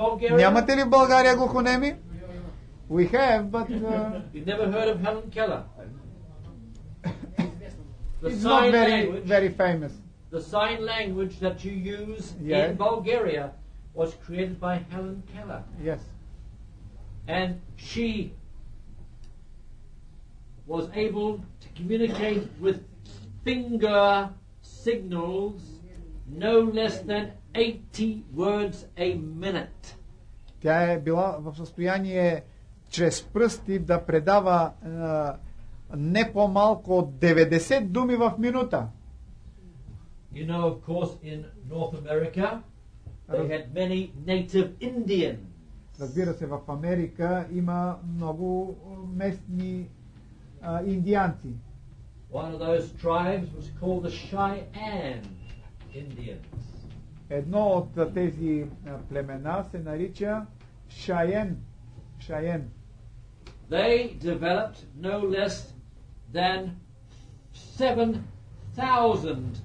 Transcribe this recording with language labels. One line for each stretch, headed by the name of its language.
Bulgarian: Нямате ли в България глухонеми?
English: We have, but... You never heard of Helen Keller? It's not very, very famous. The sign language that you use yes. in Bulgaria was created by Helen Keller. Yes. And she... was able to communicate with finger signals no less than 80 words a minute.
Bulgarian: Тя е била в състояние чрез пръсти да предава не по-малко от 90 думи в минута.
English: You know, of course, in North America they had many native Indians.
Bulgarian: Разбира се, в Америка има много местни индианци.
English: One of those tribes was called the Cheyenne Indians.
Bulgarian: Едно от тези племена се нарича Cheyenne.
English: Cheyenne. They developed no less than 7,000.